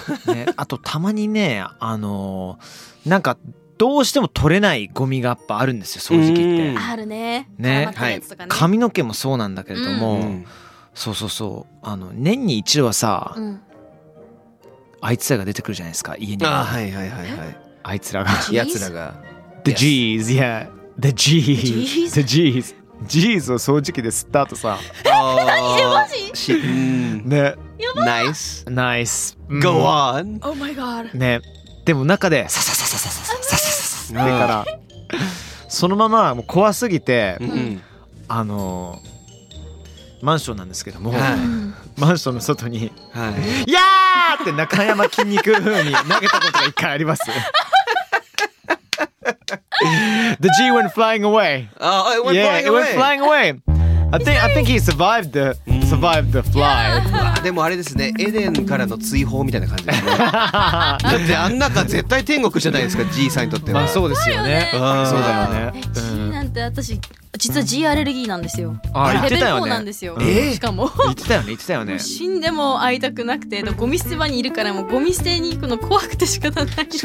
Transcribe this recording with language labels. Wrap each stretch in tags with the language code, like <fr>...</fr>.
<ja>あ、ね、あとたまにね、なんかどうしても取れないゴミがやっぱあるんですよ、掃除機って。あるね、ね、はい、髪の毛もそうなんだけれども、うん、そうそうそう、あの年に一度はさ、うん、あいつらが出てくるじゃないですか、家に。あ、はいはいはいはい、あいつらが、やつらが、</ja> <en>The G's、 yeah、 The G's、 The G's、 The G's</en> <ja>を掃除機で吸った後さ、何、マジ、ね、ナイスナイス、</ja> <en>Go on、 Oh my god、</en> <ja>ね、でも中でさささささ、だからそのままもう怖すぎて、うん、マンションなんですけども、はい、マンションの外に、はい、やーって中山筋肉風に投げたことが一回あります。</ja> <en>The G went flying away、 it went flying away、 yeah, it went flying away. I think he survived theSurvived the fly.</en> <ja>でもあれですね、エデンからの追放みたいな感じですね。だってあん中絶対天国じゃないですか、Gさんにとっては。まあそうですよね。うん、そうだよね。 G なんて私実は G アレルギーなんですよ。あ、言ってたよね。レベル4なんですよ。しかも言ってたよね、言ってたよね。死んでも会いたくなくて、ゴミ捨て場にいるからもうゴミ捨てに行くの怖くて仕方ないです</ja>